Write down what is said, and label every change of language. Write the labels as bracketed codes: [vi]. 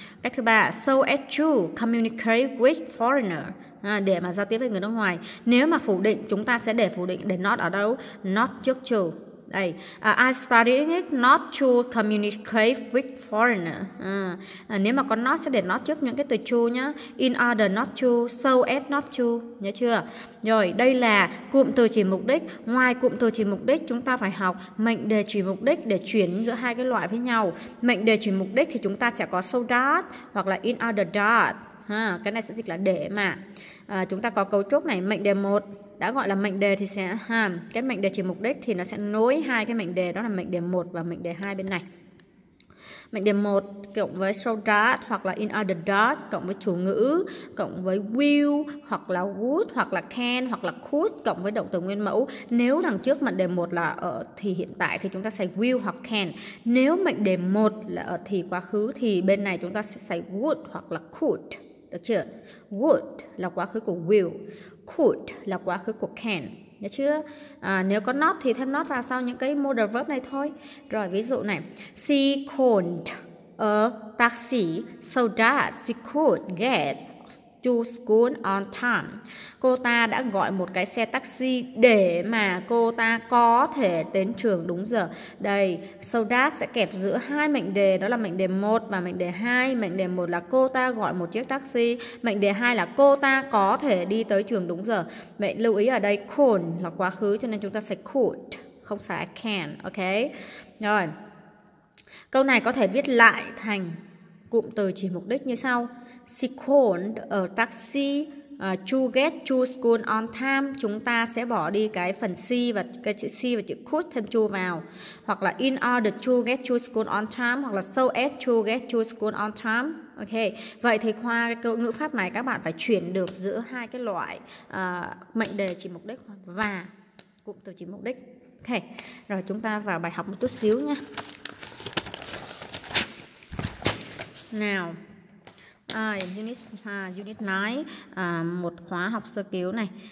[vi] Cách thứ ba, [en] so as to communicate with foreigner, [vi] để mà giao tiếp với người nước ngoài. Nếu mà phủ định, chúng ta sẽ để phủ định, để not ở đâu? Not trước to. [en] Đây, I studying it not to communicate with foreigner. [vi] Nếu mà có not sẽ để not trước những cái từ to nhá. [en] In order not to, so as not to, [vi] nhớ chưa? Rồi, đây là cụm từ chỉ mục đích. Ngoài cụm từ chỉ mục đích, chúng ta phải học mệnh đề chỉ mục đích để chuyển giữa hai cái loại với nhau. Mệnh đề chỉ mục đích thì chúng ta sẽ có so that hoặc là in order that. Cái này sẽ dịch là để mà. Chúng ta có cấu trúc này, mệnh đề 1 đã gọi là mệnh đề thì sẽ cái mệnh đề chỉ mục đích thì nó sẽ nối hai cái mệnh đề, đó là mệnh đề 1 và mệnh đề 2 bên này. Mệnh đề 1 cộng với so that hoặc là in order that cộng với chủ ngữ cộng với will hoặc là would hoặc là can hoặc là could cộng với động từ nguyên mẫu. Nếu đằng trước mệnh đề 1 là ở thì hiện tại thì chúng ta xài will hoặc can. Nếu mệnh đề 1 là ở thì quá khứ thì bên này chúng ta sẽ xài would hoặc là could. Được chưa? Would là quá khứ của will, could là quá khứ của can, nhớ chưa? Nếu có not thì thêm not vào sau những cái modal verb này thôi. Rồi ví dụ này, [en] she called a taxi so that she could get to school on time. [vi] Cô ta đã gọi một cái xe taxi để mà cô ta có thể đến trường đúng giờ. Đây, so that sẽ kẹp giữa hai mệnh đề, đó là mệnh đề 1 và mệnh đề 2. Mệnh đề 1 là cô ta gọi một chiếc taxi, mệnh đề 2 là cô ta có thể đi tới trường đúng giờ. Vậy lưu ý ở đây could là quá khứ cho nên chúng ta sẽ could, không phải can, ok. Rồi. Câu này có thể viết lại thành cụm từ chỉ mục đích như sau: [en] she called a taxi to get to school on time. [vi] Chúng ta sẽ bỏ đi cái phần she và cái chữ she và chữ could thêm to vào. Hoặc là [en] in order to get to school on time, hoặc là so as to get to school on time. [vi] Ok, vậy thì qua cái câu ngữ pháp này các bạn phải chuyển được giữa hai cái loại mệnh đề chỉ mục đích và cụm từ chỉ mục đích. Ok, rồi chúng ta vào bài học một chút xíu nha. Nào, unit 9, một khóa học sơ cứu này.